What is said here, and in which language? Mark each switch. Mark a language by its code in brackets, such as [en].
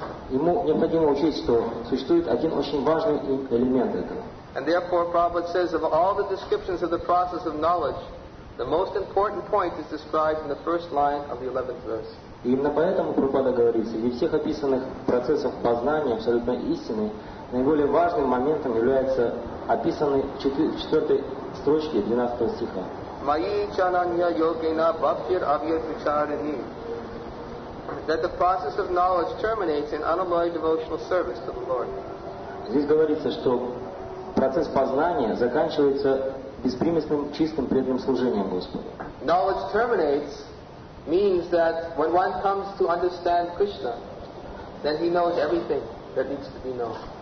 [ru] Ему необходимо учесть, что существует один очень важный элемент этого. [en] And therefore, Prabhupada says, of all the descriptions of the process of knowledge, the most important point is described in the first line of the 11th verse. [ru] И именно поэтому Прабхупада говорит, среди всех описанных процессов познания абсолютной истины, наиболее важным моментом является описанный в 4 строчке 12 стиха. [sa] Mayi chananya yogena bhaktir avya vicharani. [en] That the process of knowledge terminates in unalloyed devotional service to the Lord. [ru] Здесь говорится, что процесс познания заканчивается беспримесным, чистым, преданным служением Господу. [en] Knowledge terminates means that when one comes to understand Krishna, then he knows everything that needs to be known.